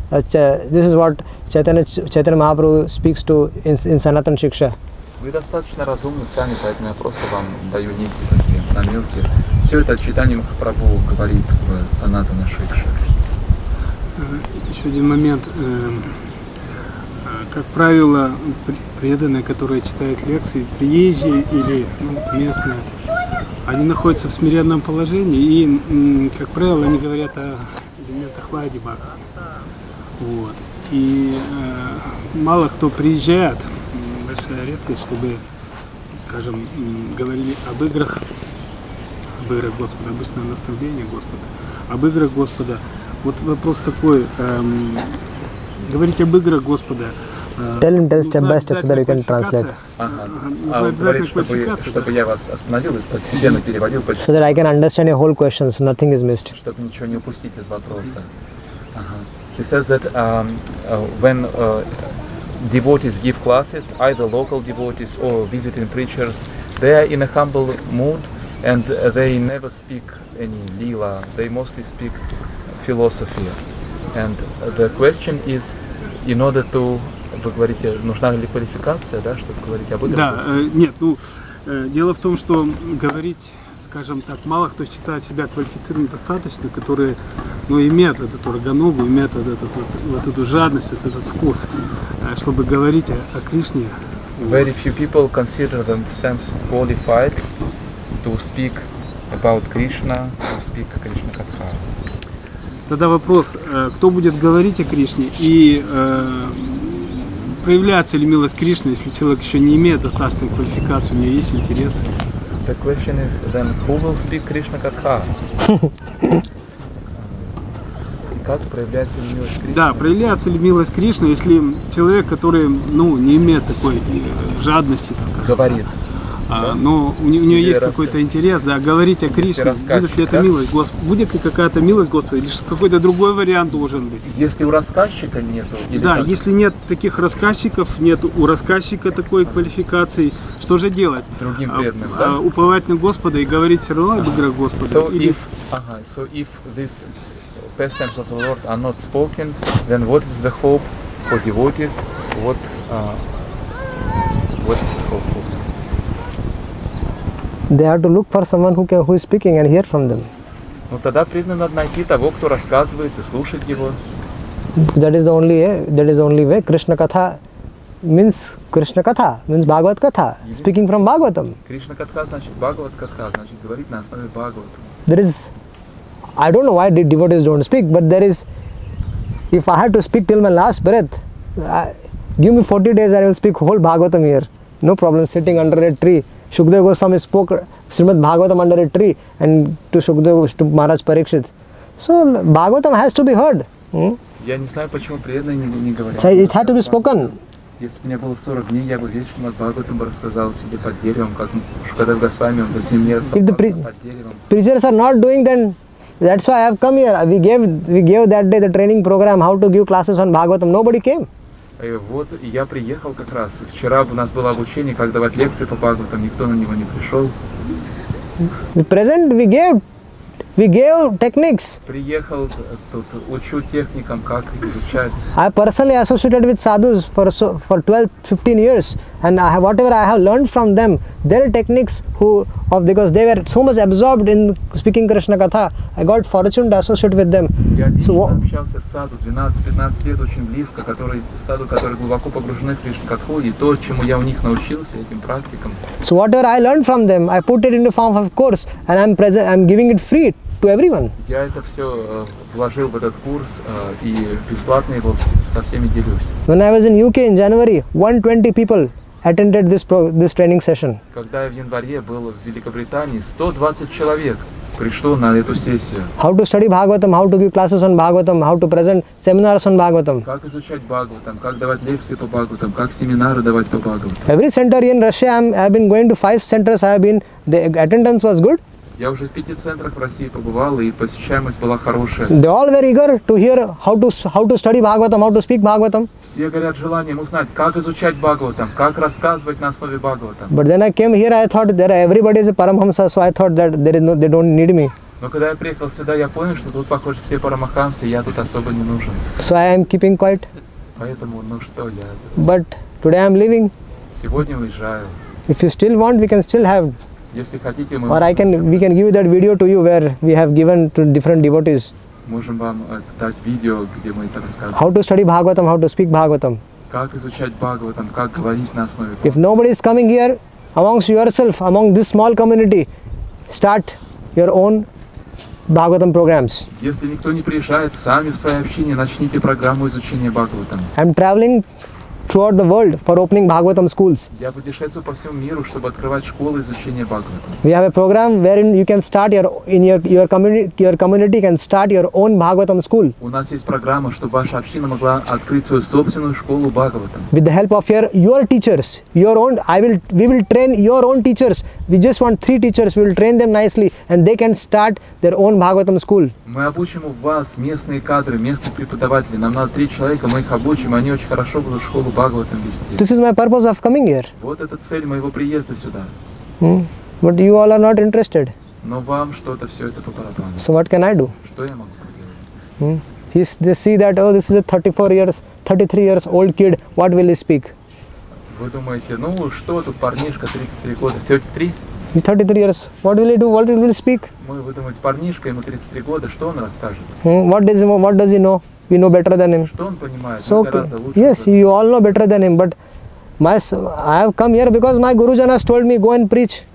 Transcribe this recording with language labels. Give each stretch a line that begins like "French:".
English: This is what Chaitanya Mahaprabhu speaks to in Sanatana Shiksha.
Russian: Вы достаточно разумны сами, поэтому я просто вам даю некие такие намеки. Все это читание Махапрабху говорит в Санатана Шикша. Еще один момент. Как правило, преданные, которые читают лекции, приезжие или местные, они находятся в смиренном положении, и, как правило, они говорят о элементах Вайди Бхакти. Вот. И мало кто приезжает, большая редкость, чтобы, скажем, говорили об играх, Господа, обычное наставление Господа, об играх Господа. Вот вопрос такой, говорить об играх Господа.
English: Tell step by step, so that you can translate.
Russian: Чтобы я вас остановил и постепенно переводил.
English: So that I can understand your whole question, so nothing is missed.
Russian: Чтобы ничего не упустить из вопроса.
English: He says that when devotees give classes, either local devotees or visiting preachers, they are in a humble mood, and they never speak any lila, they mostly speak philosophy. And the question is, in order to,
Russian: вы говорите, нужна ли квалификация, да, чтобы говорить об этом? Да, нет, ну, дело в том, что говорить, скажем так, мало кто считает себя квалифицированным достаточно, которые, ну, имеют этот органогу, имеют вот, этот, вот, вот эту жадность, вот этот вкус, чтобы говорить о Кришне.
English: Very few people consider themselves qualified to speak about Krishna, to speak Krishna Katha.
Russian: Тогда вопрос, кто будет говорить о Кришне и проявляется ли милость Кришны, если человек еще не имеет достаточной квалификации, у него есть интересы?
English: The question is, then who will speak Krishna Katha?
Russian: Как проявляется ли милость Кришны? Да, проявляется ли милость Кришны, если человек, который ну, не имеет такой жадности, говорит. Но у него есть какой-то интерес, да, говорить о Кришне, будет ли это милость Господа, будет ли какая-то милость Господа, или какой-то другой вариант должен быть. Если у рассказчика нет. Да, как? Если нет таких рассказчиков, нет у рассказчика такой квалификации, что же делать? Другим преданным, да? Уповать на Господа и говорить все равно об играх Господа. So или...
English: if, so if these pastimes of the Lord are not spoken, then what is the hope for devotees? What, what is the hope for? They have to look for someone who is speaking and hear from them.
Russian: Ну тогда преданным надо найти того, кто рассказывает и слушает его.
English: That is the only way. Krishna katha means Krishna katha means Bhagavat katha. Speaking from Bhagavatam.
Russian: Krishna katha значит Bhagavat katha значит говорить на основе Бхагавата.
English: There is, I don't know why devotees don't speak, but there is. If I had to speak till my last breath, give me 40 days and I will speak whole Bhagavatam here. No problem sitting under a tree. Shukdev Goswami spoke Srimad Bhagavatam under a tree and to Shukdev to Maharaj Parikshit. So Bhagavatam has to be heard.
Russian: Я не знаю, почему преданные не говорят.
English: So it had to be spoken.
Russian: Если бы мне было 40 дней, я бы весь Шримад Бхагаватам рассказал себе под деревом, как Шукадев Госвами за 7 лет под деревом.
English: Preachers are not doing, then that's why I have come here. We gave that day the training program, how to give classes on Bhagavatam. Nobody came.
Russian: Вот я приехал как раз. Вчера у нас было обучение, как давать лекции по Бхагаватам, никто на него не пришел.
English: The present we gave techniques.
Russian: Приехал тут, учу техникам, как изучать.
English: I personally associated with sadhus for 12-15 years, and whatever I have learned from them, their techniques because they were so much absorbed in speaking Krishna Katha, I got fortune to associate with them.
Russian: Я общался с саду 12-15 лет очень близко, который глубоко погружены в Кришна Катху, и то, чему я у них научился, этим практикам.
English: So whatever I learned from them, I put it into form of course, and I'm giving it free to everyone.
Russian: Я это все вложил в этот курс и бесплатно его со всеми делюсь.
English: When I was in UK in January, 120 people attended this training session.
Russian: Когда я в январе был в Великобритании, 120 человек пришло на эту сессию.
English: How to study Bhagavatam, how to give classes on Bhagavatam, how to present seminars on Bhagavatam.
Russian: Как изучать Бхагаватам, как давать лекции по Бхагаватам, как семинары давать по Бхагаватам.
English: Every center in Russia, I've been going to 5 centers, I've been, the attendance was good.
Russian: Я уже в 5 центрах в России побывал, и посещаемость была хорошая.
English: They all were eager to hear how to study Bhagavatam, how to speak Bhagavatam.
Russian: Все горят желанием узнать, как изучать Бхагаватам, как рассказывать на основе Бхагаватам.
English: But then I came here, I thought there everybody is a Paramahamsa, so I thought that they don't need me.
Russian: Но когда я приехал сюда, я понял, что тут, похоже, все Парамахамсы, я тут особо не нужен.
English: So I am keeping quiet.
Russian: Поэтому, ну что, я...
English: But today I am leaving.
Russian: Сегодня уезжаю.
English: If you still want, we can still have...
Russian: Если хотите, мы...
English: Or we can give that video to you where we have given to different devotees.
Russian: Можем вам дать видео, где мы это рассказываем.
English: How to study Bhagavatam, how to speak Bhagavatam.
Russian: Как изучать Бхагаватам, как говорить на основе Бхагаватам.
English: If nobody is coming here, amongst yourself, among this small community, start your own Bhagavatam programs.
Russian: Если никто не приезжает, сами в своей общине начните программу изучения Бхагаватам.
English: I'm traveling throughout the world for opening Bhagavatam schools.
Russian: Я путешествую по всему миру, чтобы открывать школы изучения Бхагаватам.
English: We have a program wherein you can start your community can start your own Bhagavatam school.
Russian: У нас есть программа, чтобы ваша община могла открыть свою собственную школу Бхагаватам.
English: With the help of your teachers, your own, we will train your own teachers. We just want 3 teachers. We will train them nicely, and they can start their own Bhagavatam school.
Russian: Мы обучим у вас местные кадры, местных преподавателей. Нам надо 3 человека, мы их обучим, они очень хорошо будут школу.
English: This is my purpose of coming here.
Russian: Вот это цель моего приезда сюда.
English: But you all are not interested.
Russian: Но вам что-то все это по барабану.
English: So what can I do?
Russian: Что я могу сделать?
English: They see that, oh, this is a 33 years old kid. What will he speak?
Russian: Вы думаете, ну что тут парнишка 33 года, 33?
English: He's 33 years. What will he do? What will he speak?
Russian: Вы думаете, парнишка, ему 33 года, что он расскажет?
English: What does he know? We know better than him. So, yes, you all know better than him. But I have come here because my Guruji has told me, go and preach.